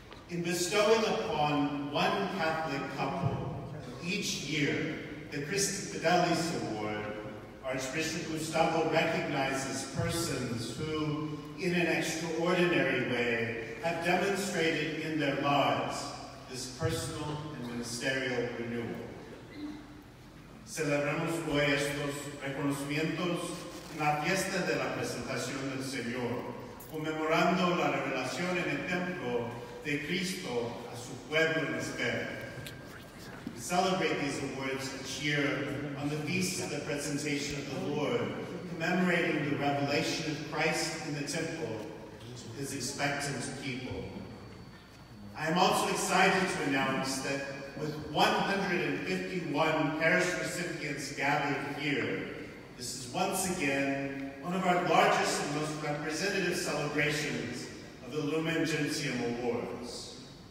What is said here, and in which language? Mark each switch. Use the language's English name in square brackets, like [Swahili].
[English] In bestowing upon one Catholic couple each year the Christi Fidelis Award, Archbishop Gustavo recognizes persons who, in an extraordinary way, have demonstrated in their lives this personal and ministerial renewal. [Spanish] Celebramos hoy estos reconocimientos en la fiesta de la presentación del Señor, conmemorando la revelación en el templo de Cristo a su pueblo en espera. [English] We celebrate these awards each year on the feast of the presentation of the Lord, commemorating the revelation of Christ in the temple to his expectant people. I am also excited to announce that with 151 parish recipients gathered here, this is once again one of our largest and most representative celebrations of the Lumen Gentium Awards.